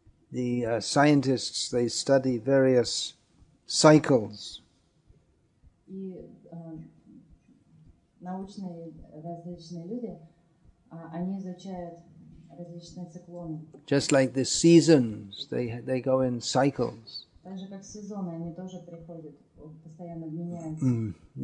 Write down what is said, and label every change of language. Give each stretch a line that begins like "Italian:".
English: the scientists, they study various cycles.
Russian: И научные различные люди, они изучают различные циклоны.
English: Just like the seasons, they go in cycles.
Russian: Так же как сезоны, они тоже приходят, постоянно меняются.